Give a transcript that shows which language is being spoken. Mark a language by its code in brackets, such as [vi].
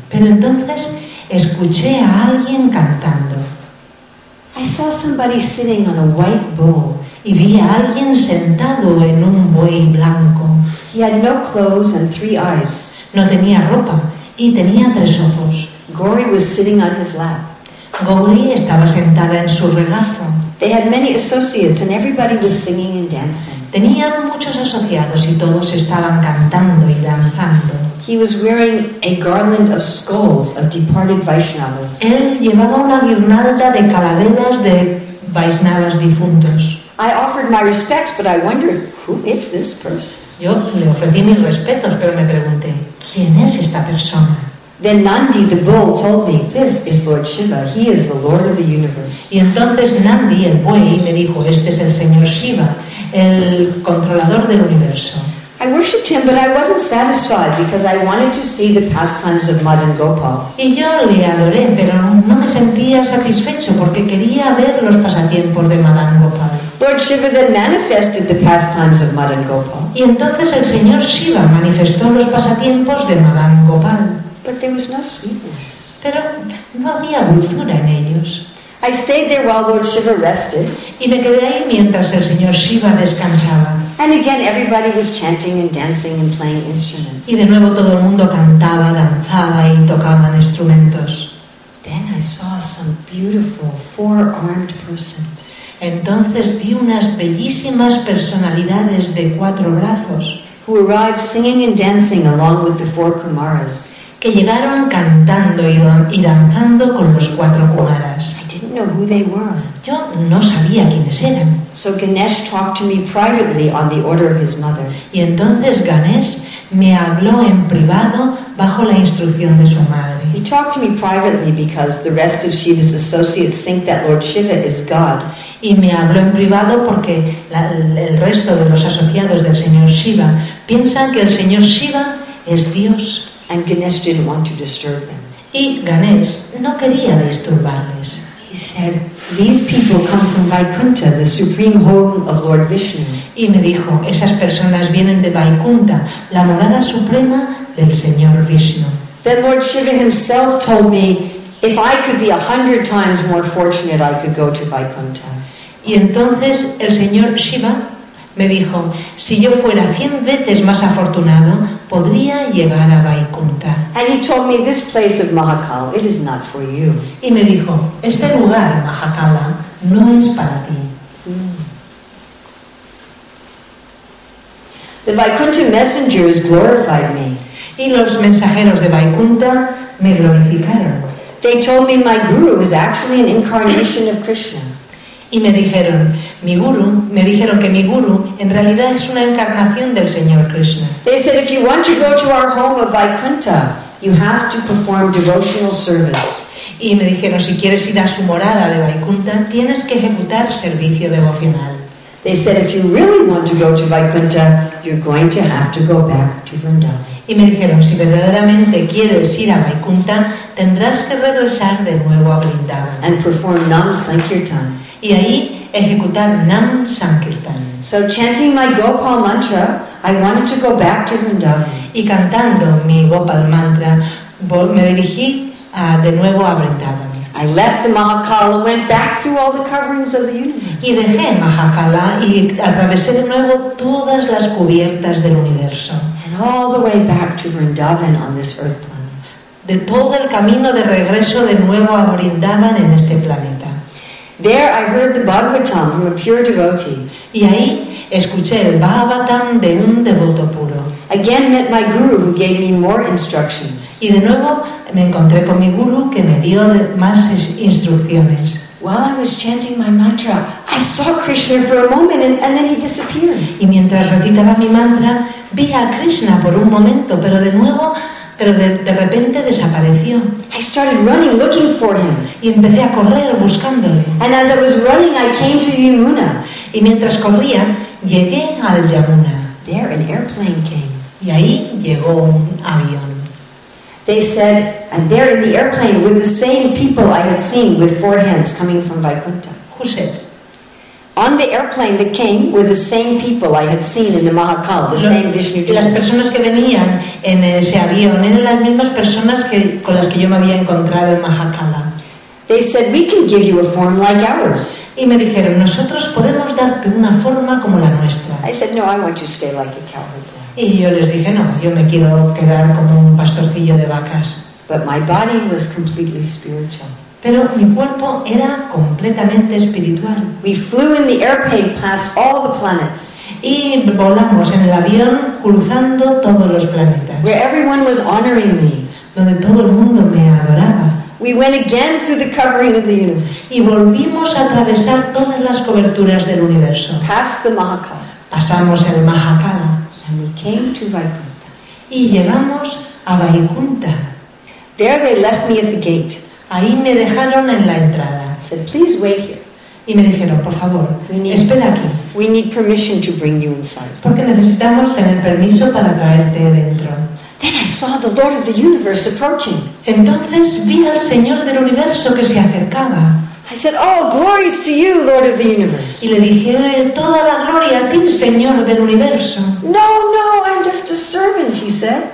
[es] Pero entonces escuché a alguien cantando. [en] I saw somebody sitting on a white bull. [es] Y vi a alguien sentado en un buey blanco. [en] He had no clothes and three eyes. [es] No tenía ropa y tenía tres ojos. [en] Gauri was sitting on his lap. [es] Gauri estaba sentada en su regazo. [en] They had many associates and everybody was singing and dancing. [es] Tenían muchos asociados y todos estaban cantando y danzando. [en] He was wearing a garland of skulls of departed Vaishnavas. [es] Él llevaba una guirnalda de calaveras de Vaishnavas difuntos. [en] I offered my respects, but I wondered, who is this person? [es] Yo le ofrecí mis respetos, pero me pregunté, ¿quién es esta persona? [en] Then Nandi, the bull, told me, this is Lord Shiva. He is the Lord of the universe. [es] Y entonces Nandi, el buey, me dijo, este es el señor Shiva, el controlador del universo. [en] I worshipped him, but I wasn't satisfied because I wanted to see the pastimes of Madan Gopal. [es] Y yo le adoré, pero no me sentía satisfecho porque quería ver los pasatiempos de Madan Gopal. [en] Lord Shiva then manifested the pastimes of Madan Gopal. [es] Y entonces el señor Shiva manifestó los pasatiempos de Madan Gopal. [en] But there was no sweetness. [es] Pero no había dulzura en ellos. [en] I stayed there while Lord Shiva rested. [es] Y me quedé ahí mientras el señor Shiva descansaba. [en] And again, everybody was chanting and dancing and playing instruments. [es] Y de nuevo todo el mundo cantaba, danzaba y tocaban instrumentos. [en] Then I saw some beautiful four-armed persons. [es] Entonces vi unas bellísimas personalidades de cuatro brazos. [en] Who arrived singing and dancing along with the four kumaras. [es] Que llegaron cantando y danzando con los cuatro kumaras. [en] I didn't know who they were. [es] Yo no sabía quiénes eran. [en] So Ganesh talked to me privately on the order of his mother. [es] Y entonces Ganesh me habló en privado bajo la instrucción de su madre. [en] He talked to me privately because the rest of Shiva's associates think that Lord Shiva is God. [es] Y me habló en privado porque el resto de los asociados del señor Shiva piensan que el señor Shiva es Dios. [en] And Ganesh didn't want to disturb them. [es] Y Ganesh no quería disturbarles. [en] He said, "These people come from Vaikuntha, the supreme home of Lord Vishnu." [es] Y me dijo, "Esas personas vienen de Vaikuntha, la morada suprema del señor Vishnu." [en] Then Lord Shiva himself told me, "If I could be 100 times more fortunate, I could go to Vaikuntha." [es] Y entonces el señor Shiva me dijo, si yo fuera 100 veces más afortunado, podría llegar a Vaikuntha. [en] And he told me, this place of Mahakal, it is not for you. [es] Y me dijo, este lugar, Mahakala, no es para ti. [en] The Vaikuntha messengers glorified me. [es] Y los mensajeros de Vaikuntha me glorificaron. [en] They told me my guru was actually an incarnation of Krishna. [es] Y me dijeron que mi guru en realidad es una encarnación del señor Krishna. [en] They said if you want to go to our home of Vaikuntha, you have to perform devotional service. [es] Y me dijeron si quieres ir a su morada de Vaikuntha, tienes que ejecutar servicio devocional. [en] They said if you really want to go to Vaikuntha, you're going to have to go back to Vrindavan. [es] Y me dijeron si verdaderamente quieres ir a Vaikuntha, tendrás que regresar de nuevo a Vrindavan. [en] And perform Nam Sankirtan. [es] Y ahí ejecutar Nam Sankirtan. [en] So chanting my Gopal mantra, I wanted to go back to Vrindavan. [es] Y cantando mi Gopal mantra, me dirigí de nuevo a Vrindavan. [en] I left the Mahakala, went back through all the coverings of the universe. [es] Y dejé Mahakala y atravesé de nuevo todas las cubiertas del universo. [en] And all the way back to Vrindavan on this earth planet. [es] De todo el camino de regreso de nuevo a Vrindavan en este planeta. [en] There I heard the Bhagavatam from a pure devotee. [es] Y ahí escuché el Bhagavatam de un devoto puro. [en] Again met my guru who gave me more instructions. [es] Y de nuevo me encontré con mi guru que me dio más instrucciones. [en] While I was chanting my mantra, I saw Krishna for a moment and then he disappeared. [es] Y mientras recitaba mi mantra, vi a Krishna por un momento, pero de nuevo Pero de repente desapareció. [en] I started running, looking for him. [es] Y empecé a correr buscándole. [en] And as I was running, I came to Yamuna. [es] Y mientras corría, llegué al Yamuna. [en] There, an airplane came. [es] Y ahí llegó un avión. [en] They said, and there in the airplane were the same people I had seen with four hands coming from Vaikuntha. Who said? On the airplane that came were the same people I had seen in the Mahakal, the same Vishnu dreams. [es] Las personas que venían en ese avión eran las mismas personas que con las que yo me había encontrado en Mahakala. [en] They said, we can give you a form like ours. [es] Y me dijeron, nosotros podemos darte una forma como la nuestra. [en] I said, no, I want you to stay like a cowherd. [es] Y yo les dije, no, yo me quiero quedar como un pastorcillo de vacas. [en] But my body was completely spiritual. [es] Pero mi cuerpo era completamente espiritual. [en] We flew in the airplane past all the planets. [es] Y volamos en el avión cruzando todos los planetas. [en] Where everyone was honoring me. [es] Donde todo el mundo me adoraba. [en] We went again through the covering of the universe. [es] Y volvimos a atravesar todas las coberturas del universo. [en] Past the Mahakala. [es] Pasamos el Mahakala. [en] And we came to Vaikuntha. [es] Y llegamos a Vaikuntha. [en] There they left me at the gate. [es] Ahí me dejaron en la entrada. [en] Said, please wait here. [es] Y me dijeron, por favor, espera aquí. [en] We need permission to bring you inside. [es] Porque necesitamos tener permiso para traerte dentro. [en] Then I saw the Lord of the Universe approaching. [es] Entonces vi al Señor del Universo que se acercaba. [en] I said, oh, glories to you, Lord of the Universe. [es] Y le dije, toda la gloria a ti, Señor del Universo. [en] No, no, I'm just a servant, he said.